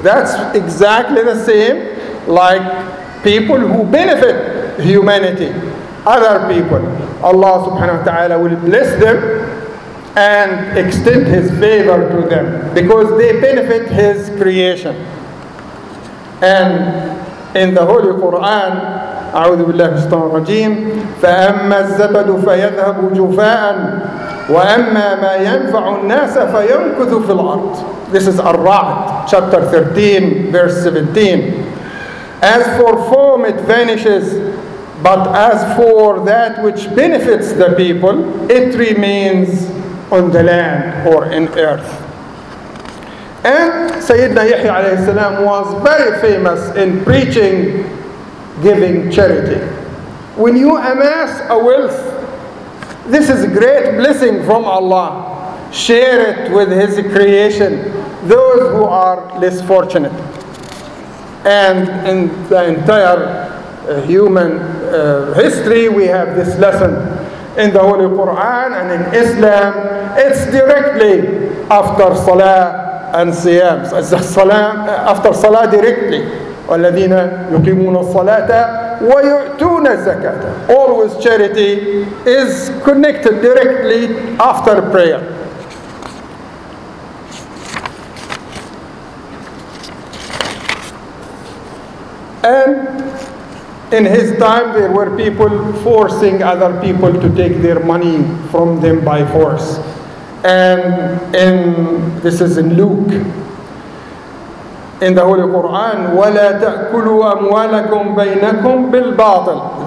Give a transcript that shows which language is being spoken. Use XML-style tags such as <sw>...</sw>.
<en>That's exactly the same like people who benefit humanity, other people. Allah subhanahu wa ta'ala will bless them and extend His favor to them because they benefit His creation. And in the Holy Quran,</en> <ar>أعوذ بالله من الشيطان الرجيم فأما الزبد فيذهب جفاء وأما ما ينفع الناس فينكث في الأرض.</ar> <en>This is Ar-Ra'd, chapter 13, verse 17. As for foam, it vanishes, but as for that which benefits the people, it remains on the land or in earth. And Sayyidina Yahya alayhi salam was very famous in preaching giving charity. When you amass a wealth, this is a great blessing from Allah. Share it with His creation, those who are less fortunate. And in the entire human history, we have this lesson in the Holy Quran and in Islam. It's directly after Salah and Siyam. After Salah directly.</en> <ar>والذين يقيمون الصلاة ويؤتون الزكاة.</ar> <en>Always charity is connected directly after prayer. And in his time, there were people forcing other people to take their money from them by force. And in this is in Luke. In the Holy Quran,</en> <ar>وَلَا تَأْكُلُوا أَمْوَالَكُمْ بَيْنَكُمْ بِالْبَاطِلِ.</ar>